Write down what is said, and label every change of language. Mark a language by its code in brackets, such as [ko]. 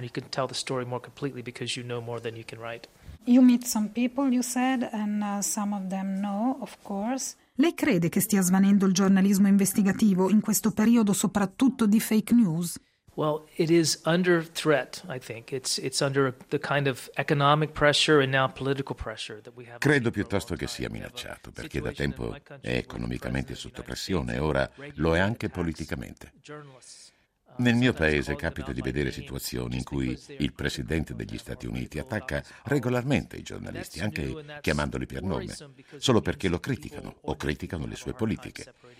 [en] Tell the story more completely because you know more than you can write. You meet some people, you said, and some of them know, of course. [it] Lei crede che stia svanendo il giornalismo investigativo in questo periodo, soprattutto di fake news? [en] Well, it is under threat, I think. It's under the kind of economic pressure and now political pressure that we have. [it] Credo piuttosto che sia minacciato, perché da tempo è economicamente sotto pressione, ora lo è anche politicamente. Nel mio paese capita di vedere situazioni in cui il presidente degli Stati Uniti attacca regolarmente i giornalisti, anche chiamandoli per nome, solo perché lo criticano o criticano le sue politiche.